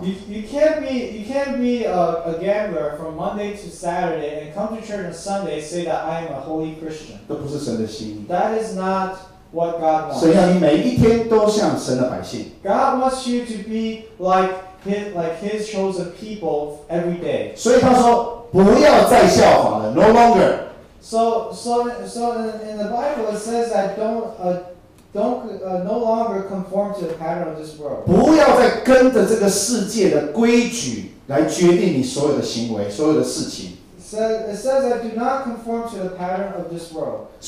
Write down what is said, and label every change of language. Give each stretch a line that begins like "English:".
English: You can't be a gambler from Monday to Saturday and come to church on Sunday and say that I am a holy Christian.
Chinese: 都不是神的心意。
English: That is not what God wants.
Chinese: 神要你每一天都像神的百姓。
English: God wants you to be like His chosen people every day.
Chinese: 所以他说不要再效仿了 ，
English: no longer。 So in the Bible it says that no longer conform to the pattern of this world.
Chinese: 不要再跟着这个世界的规矩来决定你所有的行为，所有的事情。
English: It says that do not conform to the pattern of this world.